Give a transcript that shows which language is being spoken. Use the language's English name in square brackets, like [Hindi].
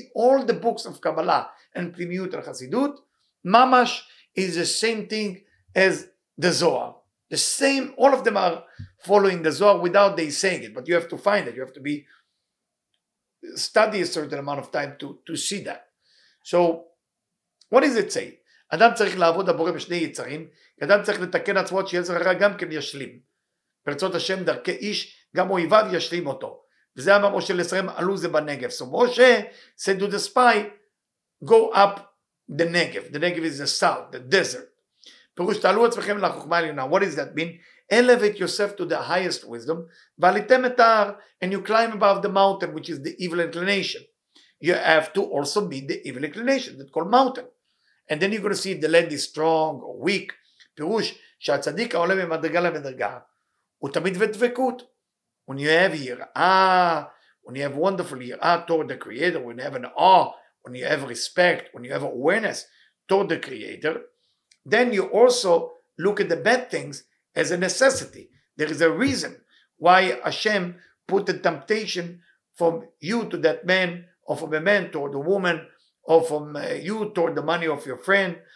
[English] All the books of Kabbalah and Pnimiyut and Chassidut, Mamash is the same thing as the Zohar. The same, all of them are following the Zohar without they saying it, but you have to find it. You have to be study a certain amount of time to see that. So, what does it say? [Hebrew] אדם צריך לעבוד הבורא בשני יצרים, אדם צריך לתקן עצמו שיצר הרע גם כן ישלים. ברצות השם דרכי איש, גם אויביו ישלים אותו. וזה אמר משה לסרם, עלו זה בנגב. [English] So משה said to the spy, go up the Negev. The Negev is the south, the desert. [Hebrew] פירוש, תעלו עצמכם לחוכמה העליונה. [English] What does that mean? Elevate yourself to the highest wisdom, [Hebrew] ועליתם את ההר, [English] and you climb above the mountain, which is the evil inclination. You have to also be the evil inclination, that's called mountain. And then you're going to see if the land is strong or weak. [Hebrew] פירוש, שהצדיק העולה ממדרגה למדרגה, הוא תמיד בדבקות. [English] When you have יראה, when you have wonderful יראה toward the creator, when you have an awe, when you have respect, when you have awareness toward the creator, then you also look at the bad things as a necessity. There is a reason why Hashem put the temptation from you to that man, or from a man toward a woman, or from you toward the money of your friend.